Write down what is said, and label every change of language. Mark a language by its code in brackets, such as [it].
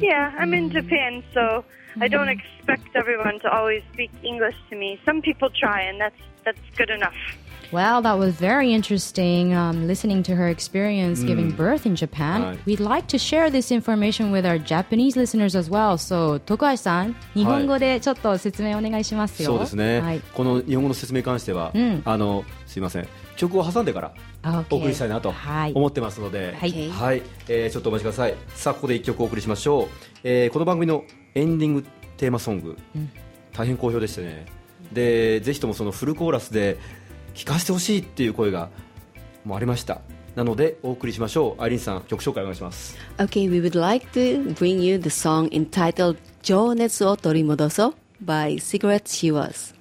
[en] Yeah, I'm in Japan, so I don't expect everyone to always speak English to me. Some people try, and that's good enough. Well, that was very interesting, listening to her experience giving birth in Japan. Right. We'd like to share this information with our Japanese listeners as well. [ja] So, Tokuai-san, 日本語でちょっと説明お願いしますよ。そうですね。この日本語の説明に関しては、すいません。曲を挟んでからお送りしたいなと思ってますので、ちょっとお待ちください。さあ、ここで1曲お送りしましょう。この番組のエンディングテーマソング、大変好評でしたね。で、ぜひともそのフルコーラスで聞かせてほしいっていう声がもうありました。なのでお送りしましょう。アイリンさん、曲紹介お願いします。 [en] Okay, we would like to bring you the song entitled 情熱を取り戻そう by Cigarette Shivers。